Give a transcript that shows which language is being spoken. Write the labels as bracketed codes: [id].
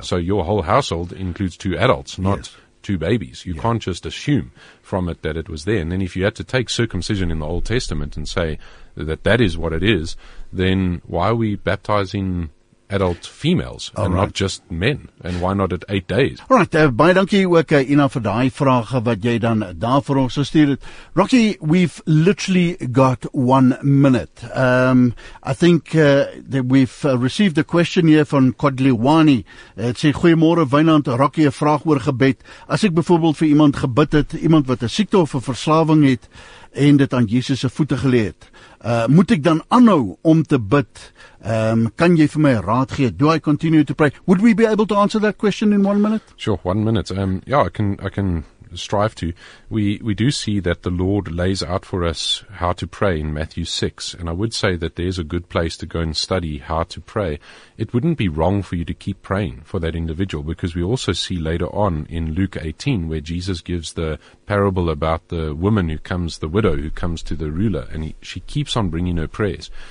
[en] So your whole household includes two adults, not two babies. You can't just assume from it that it was there. And then if you had to take circumcision in the Old Testament and say that that is what it is, then why are we baptizing adult females not just men, and why not at 8 days? All right, [af] baie dankie ook, Ina, vir daai vrae wat jy dan daar vir ons gestuur het. [en] Rocky, we've literally got 1 minute. I think that we've received a question here from Kodliwani. [af] Het sê, goeiemorgen, Wynand, Rocky, 'n vraag oor gebed. As ek bijvoorbeeld vir iemand gebid het, iemand wat 'n siekte of 'n verslawing het, en dit aan Jesus se voete geleë het, moet ek dan aanhou om te bid? Kan jy vir my raad gee? [en] Do I continue to pray? Would we be able to answer that question in 1 minute? Sure, 1 minute. I can strive to. We do see that the Lord lays out for us how to pray in Matthew 6, and I would say that there's a good place to go and study how to pray. It wouldn't be wrong for you to keep praying for that individual, because we also see later on in Luke 18 where Jesus gives the parable about the woman who comes, the widow who comes to the ruler, and she keeps on bringing her prayers.